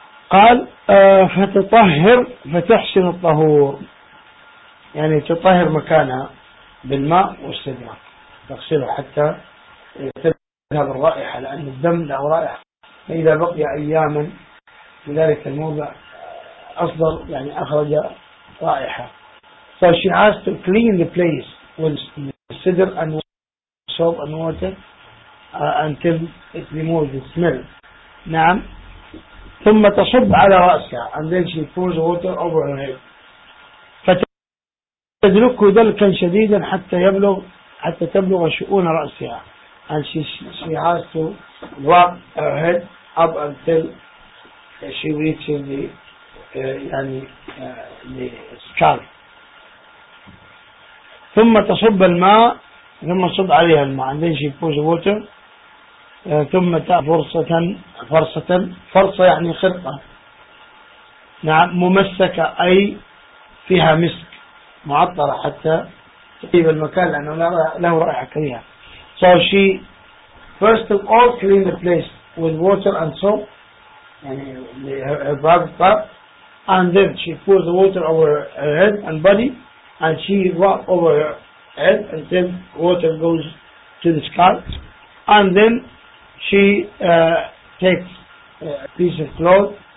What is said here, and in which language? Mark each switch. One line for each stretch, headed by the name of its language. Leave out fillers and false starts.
Arabic: قال فتطهر فتحسن الطهور يعني تطهر مكانها بالماء والسدرة تغسله حتى تذهب الرائحة لأن الدم له رائحة فإذا بقي أياما في ذلك الموضع أصدر يعني أخرج رائحة.
English: So she has to clean the place with cedar and soap and water until it removes the smell.
Arabic: نعم. ثم تصب على رأسها
English: and then she pours water over her head.
Arabic: فتدلكه دلكا شديدا حتى يبلغ حتى تبلغ شؤون رأسها.
English: And she has to rub her head up until she reaches the
Arabic: يعني السكال. ثم تصب الماء ثم تصب عليها الماء
English: and then she pours water
Arabic: ثم فرصة فرصة فرصة يعني خرقة نعم ممسكة أي فيها مسك معطرة حتى تطيب المكان لأنه له رائحة كريهة.
English: So she first of all clean the place with water and soap
Arabic: يعني
English: above top and then she pours the water over her head and body and she rub over her head until water goes to the scalp and then she takes a piece of cloth